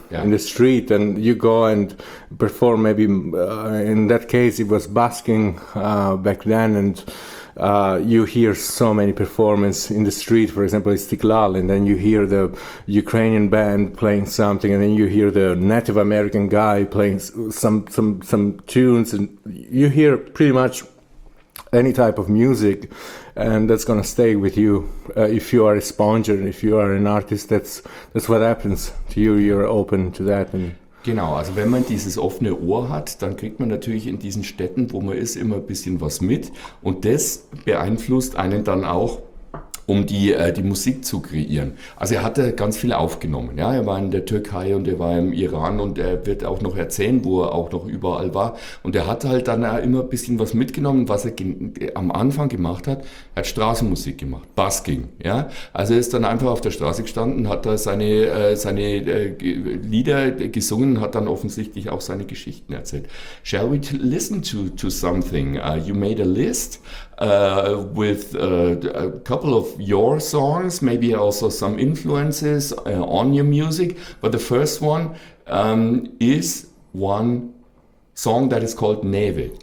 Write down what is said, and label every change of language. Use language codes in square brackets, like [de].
[en] Yeah. In the street, and you go and perform, maybe in that case it was busking back then, and you hear so many performances in the street, for example Istiklal, and then you hear the Ukrainian band playing something, and then you hear the Native American guy playing some tunes, and you hear pretty much any type of music, and that's gonna stay with you if you are a sponger, if you are an artist. That's what happens to you. You're open to that. And [de] genau, also wenn man dieses offene Ohr hat, dann kriegt man natürlich in diesen Städten, wo man ist, immer ein bisschen was mit, und das beeinflusst einen dann auch, um die Musik zu kreieren. Also er hat ganz viel aufgenommen. Ja, er war in der Türkei und er war im Iran, und er wird auch noch erzählen, wo er auch noch überall war. Und er hat halt dann immer ein bisschen was mitgenommen, was er am Anfang gemacht hat. Er hat Straßenmusik gemacht, Busking. Ja, also er ist dann einfach auf der Straße gestanden, hat da seine Lieder gesungen, hat dann offensichtlich auch seine Geschichten erzählt. [en] Shall we listen to something? You made a list with a couple of your songs, maybe also some influences on your music. But the first one is one song that is called Neve.